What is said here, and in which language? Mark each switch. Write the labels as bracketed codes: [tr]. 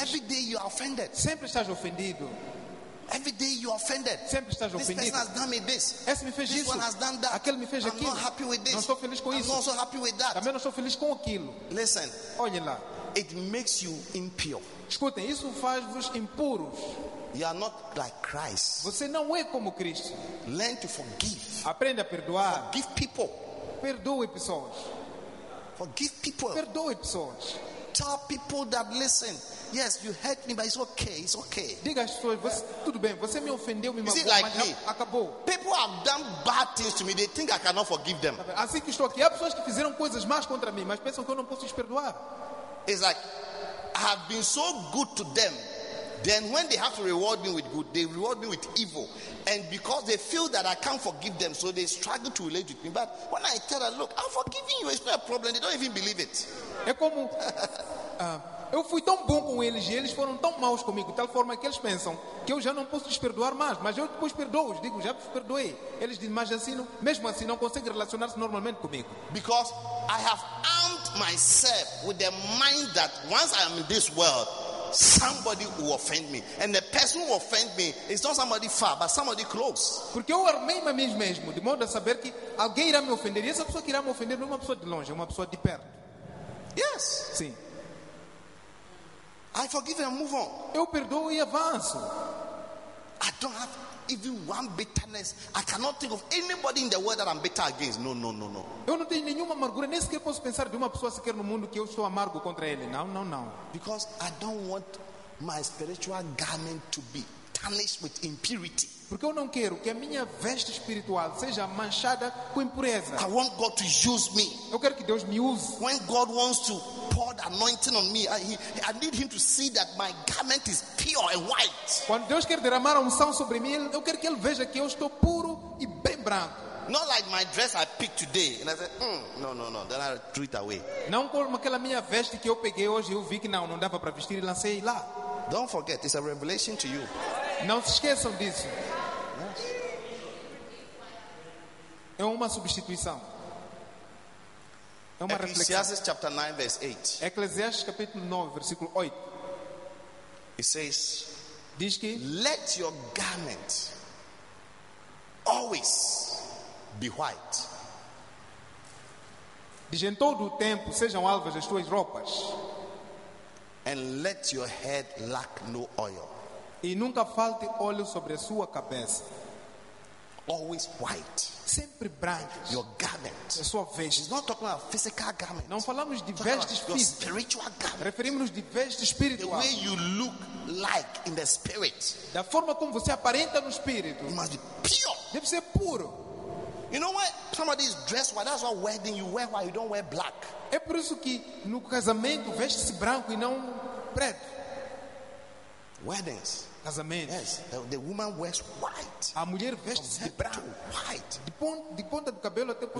[en] Every day you are offended. [pt] Sempre estás ofendido. [en] Every day you are offended. [pt] Sempre estás ofendido. [en] This person has done me this. [pt] Esse me fez [en] this [pt] isso. [en] One has done that. [pt] Aquele me fez [en] I'm [pt] aquilo. [en] Not happy with this. [pt] Não estou feliz com [en] I'm [pt] isso. [en] I'm also happy with that. [pt] Também não estou feliz com aquilo. [en] Listen. [pt] Olhem lá. [en] It makes you impure. [pt] Escutem, isso faz-vos impuros. [en] You are not like Christ. [pt] Você não é como Cristo. [en] Learn to forgive. [pt] Aprenda a perdoar. [en] Forgive people. [pt] Perdoe pessoas. [en] Forgive people. [pt] Perdoe pessoas. [en] Tell people that listen. Yes, you hurt me, but it's okay. It's okay. [pt] Diga às pessoas, você, tudo bem. Você me ofendeu, me magoou, [en] like [pt] mas me? Acabou. [en] People have done bad things to me. They think I cannot forgive them. [pt] Assim que estou aqui, há pessoas que fizeram coisas más contra mim, mas pensam que eu não posso lhes perdoar. [en] It's like I have been so good to them. Then when they have to reward me with good, they reward me with evil. And because they feel that I can't forgive them, so they struggle to relate with me. But when I tell them, look, I'm forgiving you, it's not a problem, they don't even believe it. [pt] É como, eu fui tão bom com eles e eles foram tão maus comigo, de tal forma que eles pensam que eu já não posso lhes perdoar mais. Mas eu depois perdoo, eu digo, já te perdoei. Eles dizem, mas assim, mesmo assim, não conseguem relacionar-se normalmente comigo. [en] Because I have armed myself with the mind that once I am in this world, somebody will offend me, and the person who offend me is not somebody far, but somebody close. [pt] Porque eu armei a mim mesmo de modo a saber que alguém irá me ofender. E essa pessoa que irá me ofender não é uma pessoa de longe, é uma pessoa de perto. [en] Yes. [pt] Sim. [en] I forgive and move on. [pt] Eu perdoo e avanço. [en] I don't have even one bitterness. I cannot think of anybody in the world that I'm bitter against. No, no, no, no. [pt] Eu não tenho nenhuma amargura, nem sequer posso pensar de uma pessoa sequer no mundo que eu sou amargo contra ele. Não, não, não. [en] Because I don't want my spiritual garment to be tarnished with impurity. [pt] Porque eu não quero que a minha veste espiritual seja manchada com impureza. [en] I want God to use me. [pt] Eu quero que Deus me use. [en] When God wants to pour the anointing on me, I need him to see that my garment is pure and white. [pt] Quando Deus quer derramar a unção sobre mim, eu quero que ele veja que eu estou puro e bem branco. [en] Not like my dress I picked today. And I said, no, no, no. Then I threw it away. [pt] Não como aquela minha veste que eu peguei hoje, eu vi que não dava para vestir e lancei lá. [en] Don't forget, it's a revelation to you. [pt] Não se esqueçam disso. [en] Yes. [pt] É uma substituição. É uma reflexão. [en] Ecclesiastes chapter 9 verse 8. [pt] Eclesiastes capítulo 9 versículo 8. [en] It says, [pt] diz que [en] let your garment always be white. [pt] Diz em todo o tempo sejam alvas as tuas roupas. [en] And let your head lack no oil. [pt] E nunca falte óleo sobre a sua cabeça. [en] always white. [pt] Sempre branco. [en] Your garment. [pt] A sua veste. [en] He's not talking about physical garment. [pt] Não falamos de vestes físicas. [en] Spiritual garment. [pt] Referimos-nos de vestes espirituais. [en] The way you look like in the spirit. [pt] Da forma como você aparenta no espírito. [en] You must be pure. [pt] Deve ser puro. [en] You know why somebody is dressed white? That's why wedding you wear white. You don't wear black. [pt] É por isso que no casamento veste-se branco e não preto. [en] Weddings. [pt] Casamento. [en] Yes, the woman wears white. [pt] A mulher veste-se de branco. [en] White. [pt] De ponta do cabelo até ponta.